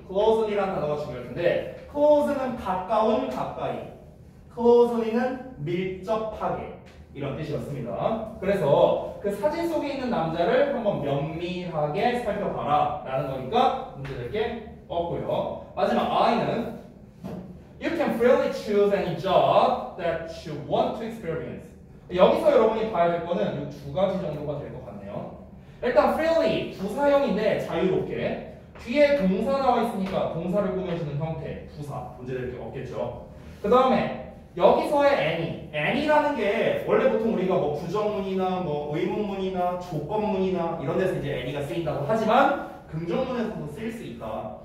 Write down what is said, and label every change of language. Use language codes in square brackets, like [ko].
[ko] closely라는 단어가 중요할 텐데 close는 가까운 가까이 closely는 밀접하게 이런 뜻이었습니다. 그래서 그 사진 속에 있는 남자를 한번 면밀하게 살펴봐라 라는 거니까 문제 될 게 없고요. 마지막 I는 [en] You can freely choose any job that you want to experience. [ko] 여기서 여러분이 봐야 될 거는 이 두 가지 정도가 될 것 같네요. 일단 freely 부사형인데 자유롭게 뒤에 동사 나와 있으니까 동사를 꾸며주는 형태 부사 문제 될 게 없겠죠. 그 다음에 여기서의 any, any라는 게 원래 보통 우리가 뭐 부정문이나 뭐 의문문이나 조건문이나 이런 데서 이제 any가 쓰인다고 하지만 긍정문에서도 쓰일 수 있다.